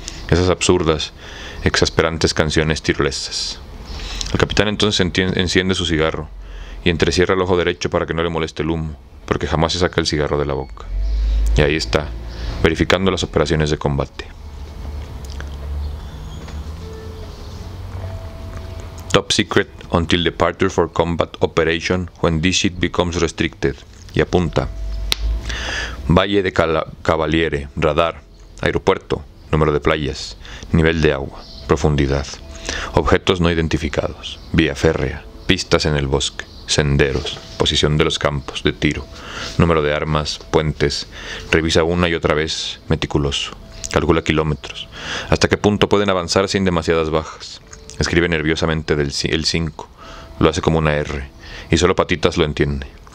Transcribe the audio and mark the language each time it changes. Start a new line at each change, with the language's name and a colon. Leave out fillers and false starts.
Spanish: Esas absurdas, exasperantes canciones tirolesas. El capitán entonces enciende su cigarro, y entrecierra el ojo derecho para que no le moleste el humo, porque jamás se saca el cigarro de la boca. Y ahí está, verificando las operaciones de combate.
English: Top secret until departure for combat operation when this shit becomes restricted.
Spanish: Y apunta. Valle de Cavaliere, radar, aeropuerto, número de playas, nivel de agua, profundidad, objetos no identificados, vía férrea, pistas en el bosque, senderos, posición de los campos de tiro, número de armas, puentes, revisa una y otra vez, meticuloso, calcula kilómetros, hasta qué punto pueden avanzar sin demasiadas bajas, escribe nerviosamente el 5, lo hace como una R, y solo Patitas lo entiende.